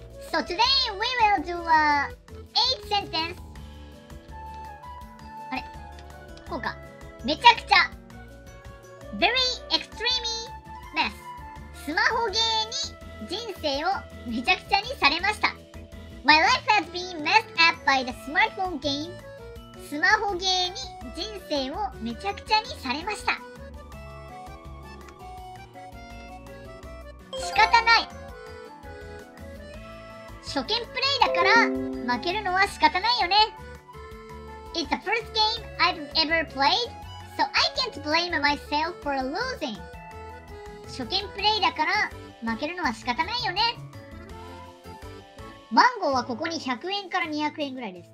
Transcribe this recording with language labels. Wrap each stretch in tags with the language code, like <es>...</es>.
<en>So today we will do a 8 sentence.</en> <ja>あれ?こうか。めちゃくちゃ!</ja> <en>Very extreme mess.</en> <ja>スマホゲーに人生をめちゃくちゃにされました。</ja> <en>My life has been messed up by the smartphone game.</en> <ja>スマホゲーに人生をめちゃくちゃにされました。仕方ない。初見プレイだから負けるのは仕方ないよね。 It's the first game I've ever played, so I can't blame myself for losing. 初見プレイだから負けるのは仕方ないよね。マンゴーはここに100円から200円ぐらいです。</ja>